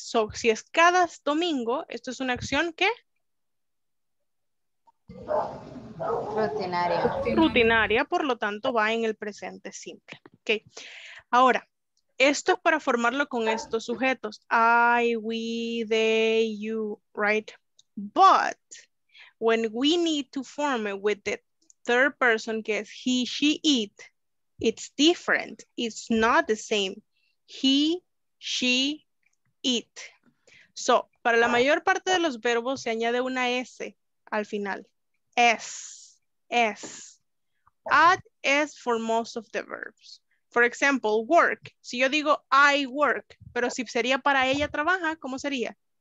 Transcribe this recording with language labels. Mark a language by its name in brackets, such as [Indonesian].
[Spanish] So, si es cada domingo, ¿esto es una acción qué? Rutinaria. Rutinaria, por lo tanto, va en el presente simple. Ok. Ahora, esto es para formarlo con estos sujetos. [English] I, we, they, you, right? But, when we need to form it with the third person, [Spanish] que es [English] he, she, it, it's different. It's not the same. He, she, it. [Spanish] So, para la mayor parte de los verbos se añade una S al final. [English] S. S. Add S for most of the verbs. For example, work. [Spanish] Si yo digo [English] I work, [Spanish] pero si sería para ella trabaja, ¿cómo sería?